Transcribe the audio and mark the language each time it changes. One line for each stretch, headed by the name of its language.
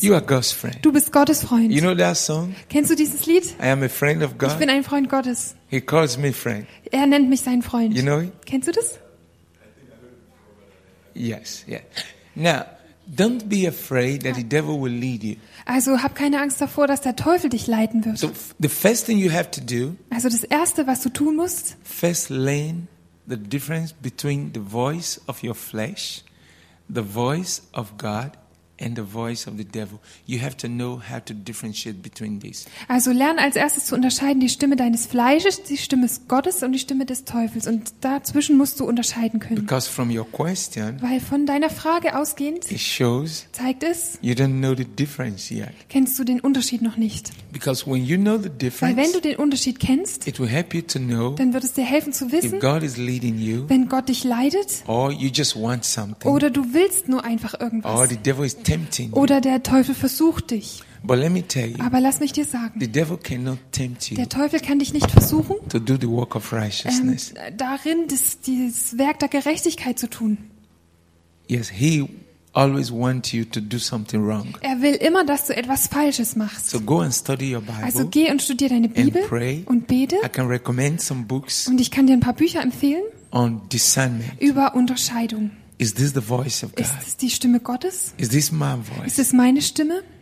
English: You are God's friend.
German: Du bist Gottes Freund.
English: You know that song?
German: Kennst du dieses Lied?
English: I am a friend of God.
German: Ich bin ein Freund Gottes.
English: He calls me friend.
German: Er nennt mich seinen Freund.
English: You know it?
German: Kennst du das?
English: Yes, yeah. Now, don't be afraid that the devil will lead you.
German: Also hab keine Angst davor, dass der Teufel dich leiten wird.
English: So the first thing you have to do.
German: Also das erste, was du tun musst.
English: First, learn the difference between the voice of your flesh, the voice of God, and the voice of the devil. You have to know how to differentiate between these.
German: Also lern als erstes zu unterscheiden die Stimme deines Fleisches, die Stimme Gottes und die Stimme des Teufels. Und dazwischen musst du unterscheiden können.
English: Because from your question,
German: weil von deiner Frage ausgehend,
English: it shows,
German: zeigt es,
English: you don't know the difference yet.
German: Kennst du den Unterschied noch nicht?
English: Because when you know the difference,
German: weil wenn du den Unterschied kennst,
English: it will help you to know,
German: dann wird es dir helfen zu wissen,
English: if God is leading you,
German: wenn Gott dich leitet,
English: or you just want something,
German: oder du willst nur einfach irgendwas,
English: or the devil is
German: oder der Teufel versucht dich.
English: But let me tell you,
German: aber lass mich dir sagen,
English: the devil cannot tempt you,
German: der Teufel kann dich nicht versuchen,
English: to do the work of righteousness.
German: Darin das Werk der Gerechtigkeit zu tun.
English: Yes, he always wants you to do something wrong.
German: Er will immer, dass du etwas Falsches machst.
English: So go and study your Bible,
German: also geh und studier deine Bibel
English: and pray,
German: und bete.
English: I can recommend some books,
German: und ich kann dir ein paar Bücher empfehlen
English: on discernment,
German: über Unterscheidung.
English: Is this the voice of God?
German: Ist es die Stimme Gottes?
English: Is this my voice?
German: Ist es meine Stimme?